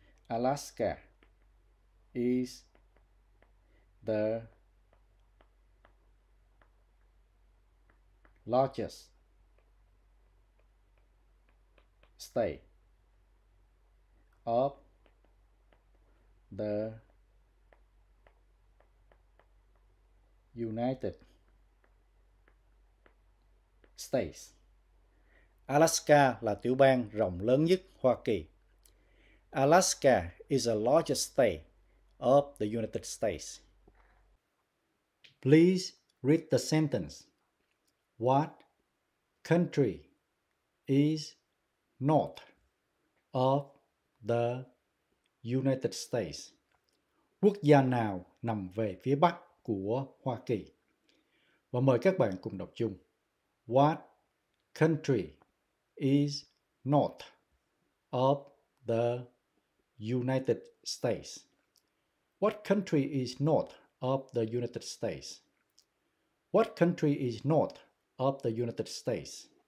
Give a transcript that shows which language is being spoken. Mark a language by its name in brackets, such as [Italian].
[English] Alaska is the largest state of the United States. [Vietnamese] Alaska là tiểu bang rộng lớn nhất Hoa Kỳ. [English] Alaska is the largest state of the United States. Please read the sentence. What country is north of the United States? [Vietnamese] Quốc gia nào nằm về phía bắc của Hoa Kỳ? Và mời các bạn cùng đọc chung. [English] What country is north of the United States? What country is north of the United States? What country is north of the United States?